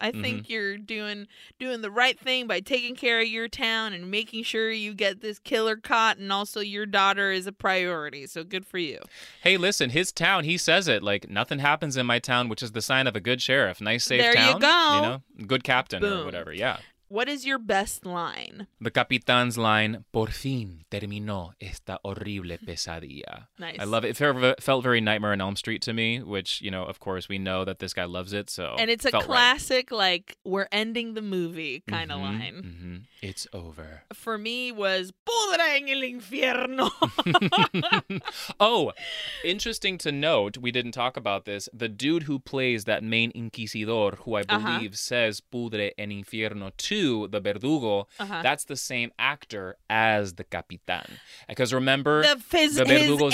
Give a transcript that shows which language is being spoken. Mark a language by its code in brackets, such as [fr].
[en] I think you're doing the right thing by taking care of your town and making sure you get this killer caught, and also your daughter is a priority. So good for you. Hey, listen, his town, he says it like, nothing happens in my town, which is the sign of a good sheriff. Nice, safe there town. There you go. You know, good captain. Boom. Or whatever. Yeah. What is your best line? The capitán's line, [es] por fin terminó esta horrible pesadilla. [en] Nice. I love it. It felt very Nightmare on Elm Street to me, which, you know, of course, we know that this guy loves it. So, and it's a classic, like, we're ending the movie kind of line. Mm-hmm. It's over. For me was, [es] podrá en el infierno. [en] Oh, interesting to note, we didn't talk about this, the dude who plays that main inquisidor, who I believe says, [es] podrá en infierno [en] to the verdugo, that's the same actor as the capitán. Because remember, the verdugo's